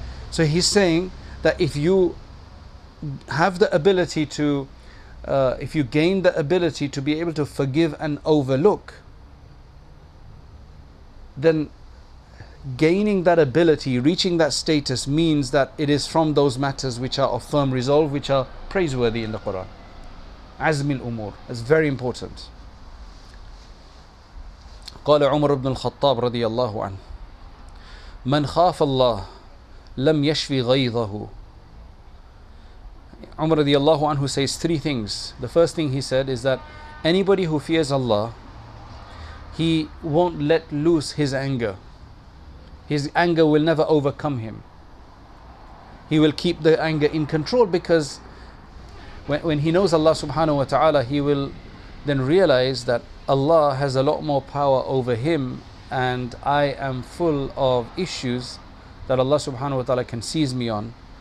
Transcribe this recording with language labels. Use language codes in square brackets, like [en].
[en] So he's saying that if you have the ability to, if you gain the ability to be able to forgive and overlook, then gaining that ability, reaching that status, means that it is from those matters which are of firm resolve, which are praiseworthy in the Quran. Azmil umur, that's very important. [ar] قال عمر بن الخطاب رضي الله عنه من خاف الله لم يشفي غيظه. [en] Umar radiallahu anhu says three things. The first thing he said is that anybody who fears Allah, he won't let loose his anger. His anger will never overcome him. He will keep the anger in control, because when he knows Allah subhanahu wa ta'ala, he will then realize that Allah has a lot more power over him, and I am full of issues that Allah subhanahu wa ta'ala can seize me on.